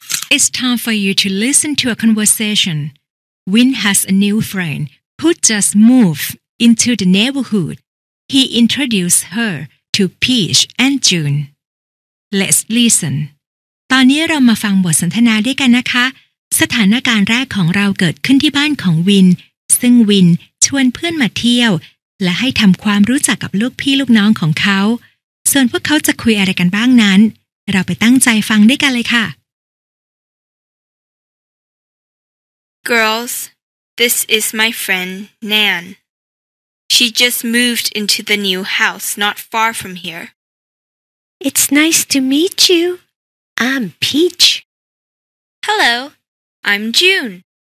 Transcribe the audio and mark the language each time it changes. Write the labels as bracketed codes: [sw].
[en] It's time for you to listen to a conversation. Win has a new friend who just moved into the neighborhood. He introduced her to Peach and June. Let's listen. [th] ตอนนี้เรามาฟังบทสนทนาด้วยกันนะคะสถานการณ์แรกของเราเกิดขึ้นที่บ้านของวินซึ่งวินชวนเพื่อนมาเที่ยวและให้ทำความรู้จักกับลูกพี่ลูกน้องของเขาส่วนพวกเขาจะคุยอะไรกันบ้างนั้นเราไปตั้งใจฟังด้วยกันเลยค่ะ [en] Girls, this is my friend Nan. She just moved into the new house not far from here. It's nice to meet you. I'm Peach. Hello. I'm June.